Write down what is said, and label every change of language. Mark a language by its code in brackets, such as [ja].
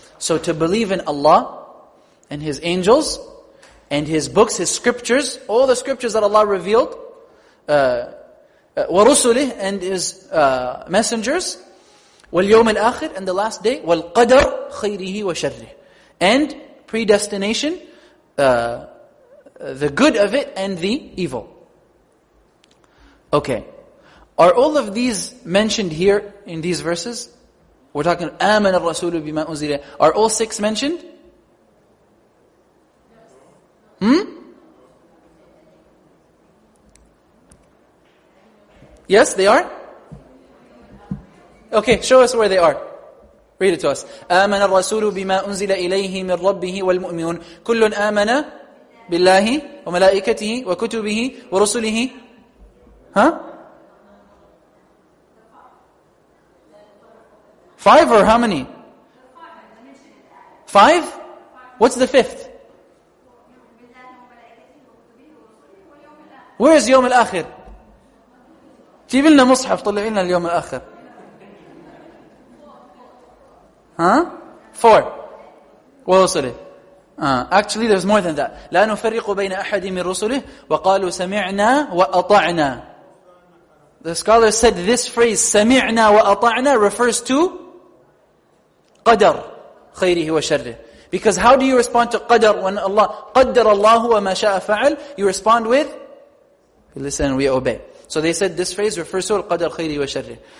[en] So to believe in Allah and His angels and His books, His scriptures, all the scriptures that Allah revealed, وَرُسُلِهِ and His messengers, [ar] وَالْيَوْمِ الْآخِرِ [en] and the last day, [ar] وَالْقَدَرِ خَيْرِهِ وَشَرِّهِ [en] and predestination, the good of it and the evil. Okay. Are all of these mentioned here in these verses? We're talking, [ar] آمَنَ الرَّسُولُ بِمَا أُنزِلَ. [en] Are all six mentioned? Yes, they are? Okay, show us where they are. Read it to us. [ar] آمَنَ الرَّسُولُ بِمَا أُنزِلَ إِلَيْهِ مِنْ رَبِّهِ وَالْمُؤْمِنُونَ كُلٌّ آمَنَ بِاللَّهِ وَمَلَائِكَتِهِ وَكُتُبِهِ وَرُسُلِهِ. [en] Huh? Five or how many? Five? What's the fifth? Where is Yawm al-Akhir? [ar] جيبلنا مصحف طلعينا اليوم الآخر. [en] Huh? Four. [ar] ورسله. [en] Actually, there's more than that. [ar] لا نفرق بين أحد من رسله وقالوا سمعنا وأطعنا. [en] The scholar said this phrase, [ar] سمعنا وأطعنا, [en] refers to قدر. [ar] خيره وشره. [en] Because how do you respond to qadr when Allah qadr [ar] Allahu wa ma sha'a fa'al? [en] You respond with, we listen and we obey. So they said this phrase refers to [ar] al-qadr khayri wa sharri.